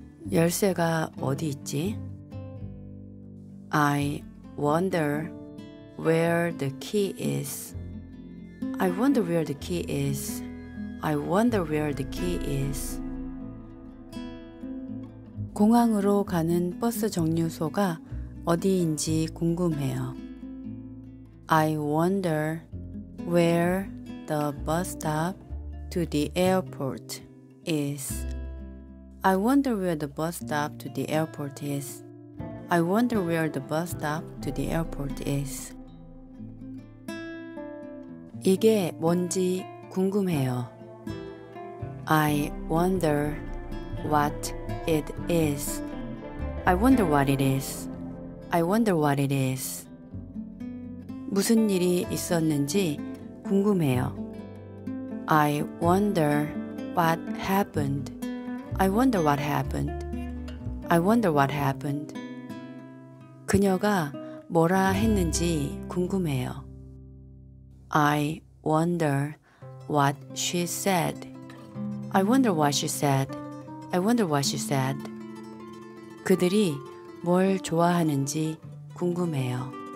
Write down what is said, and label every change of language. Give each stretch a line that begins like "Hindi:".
Korean: 열쇠가 어디 있지?
English: I wonder where the key is. I wonder where the key is. I wonder where the key is.
Korean: 공항으로 가는 버스 정류소가 어디인지 궁금해요.
English: I wonder where the bus stop to the airport is. I wonder where the bus stop to the airport is. I wonder where the bus stop to the airport is.
Korean: 이게 뭔지 궁금해요.
English: I wonder what it is. I wonder what it is. I wonder what it is.
Korean: 무슨 일이 있었는지 궁금해요.
English: I wonder what happened. I wonder what happened. I wonder what happened.
Korean: 그녀가 뭐라 했는지 궁금해요.
English: I wonder what she said. I wonder what she said. I wonder what she said.
Korean: 그들이 뭘 좋아하는지 궁금해요.